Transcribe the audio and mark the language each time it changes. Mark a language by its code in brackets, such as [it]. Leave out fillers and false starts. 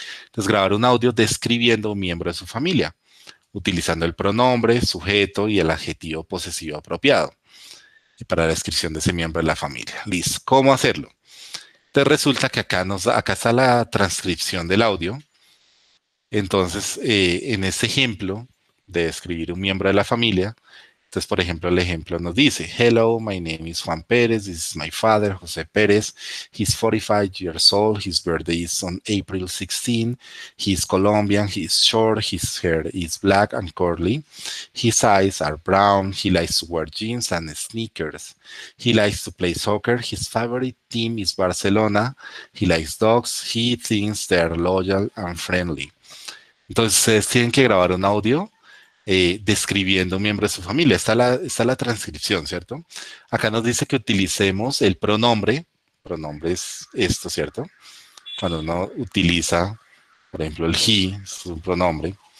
[es] Entonces grabar un audio describiendo a un miembro de su familia, utilizando el pronombre, sujeto y el adjetivo posesivo apropiado para la descripción de ese miembro de la familia. Listo. ¿Cómo hacerlo? Entonces resulta que acá está la transcripción del audio. Entonces, en este ejemplo, de describir un miembro de la familia. Entonces, por ejemplo, el ejemplo nos dice, [en] hello, my name is Juan Pérez, this is my father, José Pérez, he's 45 years old, his birthday is on April 16, he's Colombian, he's short, his hair is black and curly, his eyes are brown, he likes to wear jeans and sneakers, he likes to play soccer, his favorite team is Barcelona, he likes dogs, he thinks they're loyal and friendly. [es] Entonces, tienen que grabar un audio describiendo un miembro de su familia. Está la transcripción, ¿cierto? Acá nos dice que utilicemos el pronombre. Pronombre es esto, ¿cierto? Cuando uno utiliza, por ejemplo, el he, es un pronombre.